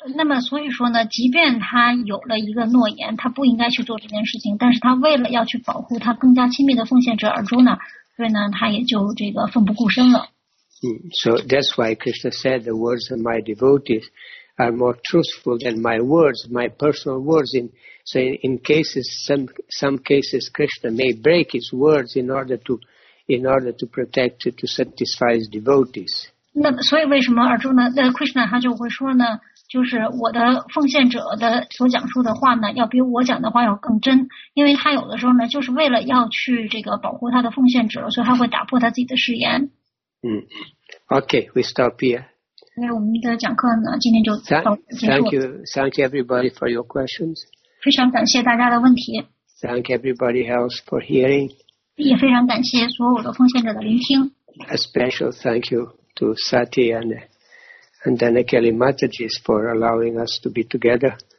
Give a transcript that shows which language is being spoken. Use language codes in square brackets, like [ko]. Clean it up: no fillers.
[zh] 那么所以说呢，即便他有了一个诺言，他不应该去做这件事情，但是他为了要去保护他更加亲密的奉献者 Arjuna， 所以呢，他也就这个奋不顾身了。 [en] So that's why Krishna said the words of my devotees are more truthful than my words, my personal words. In some cases, Krishna may break his words in order to protect to satisfy his devotees. [zh] 那所以为什么而说呢？那 Krishna 他就会说呢，就是我的奉献者的所讲述的话呢，要比我讲的话要更真，因为他有的时候呢，就是为了要去这个保护他的奉献者，所以他会打破他自己的誓言。 [en] Okay, we stop here. [zh] 那我们的讲课呢，今天就到此结束。 [en] Thank you everybody for your questions. [zh] 非常感谢大家的问题。 [en] Thank everybody else for hearing. [zh] 也非常感谢所有的奉献者的聆听。 [en] A special thank you to Sati and Danakali Mataji for allowing us to be together.